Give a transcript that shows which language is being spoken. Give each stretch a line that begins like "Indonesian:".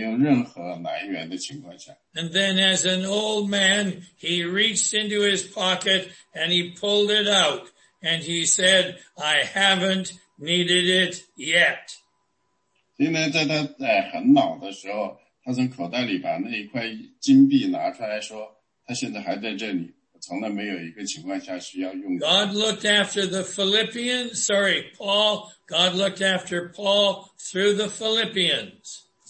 Chinese: 所以呢，他说呢，这因为是金子做的，所以你可以在任何时候、任何地方去兑现，但是呢，你不要去花它，除非你陷入了绝境，你没有任何来源的情况下。
English: And then as an old man, he reached into his pocket and he pulled it out. And he said, I haven't needed it yet.
Chinese: 现在在他很老的时候，他从口袋里把那一块金币拿出来说，他现在还在这里，从来没有一个情况下需要用。
English: God looked after the Philippians, sorry, Paul, God looked after Paul through the Philippians.